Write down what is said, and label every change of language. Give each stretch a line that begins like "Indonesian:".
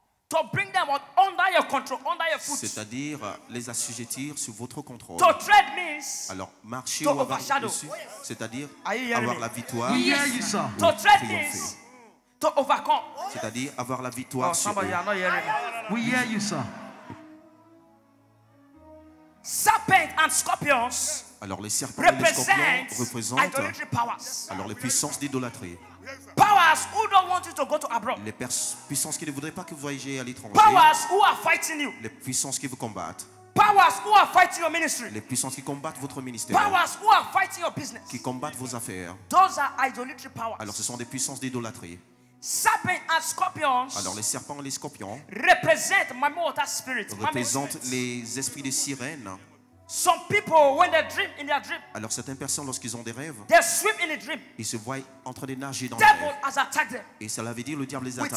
English: To bring them under your control, under your foot.
French: C'est-à-dire les assujettir sous votre contrôle.
English: To tread means.
French: Alors marcher ou avoir dessus. C'est-à-dire avoir la victoire.
English: Yes, sir. To tread means. To overcome.
French: C'est-à-dire avoir la victoire sur.
English: Somebody are not hearing me. We hear you, sir. Serpents and scorpions.
French: Alors les serpents et les scorpions représentent. Alors les puissances d'idolâtrie.
English: Powers who don't want you to go to abroad.
French: Les puissances qui ne voudraient pas que vous voyagez à l'étranger.
English: Powers who are fighting you.
French: Les puissances qui vous combattent.
English: Powers who are fighting your ministry.
French: Les puissances qui combattent votre ministère.
English: Powers who are fighting your business.
French: Qui combattent vos affaires.
English: Those are idolatry powers.
French: Alors ce sont des puissances d'idolâtrie.
English: Serpents and scorpions.
French: Alors les serpents et les scorpions.
English: Represent my mortal spirit.
French: Représentent les esprits de sirènes.
English: Some people when they dream in their dream.
French: Alors certaines personnes lorsqu'ils ont des rêves.
English: They swim in a dream.
French: Ils se voient en train de nager dans le rêve.
English: Devil has attacked them.
French: Et cela veut dire le diable les a attaqués.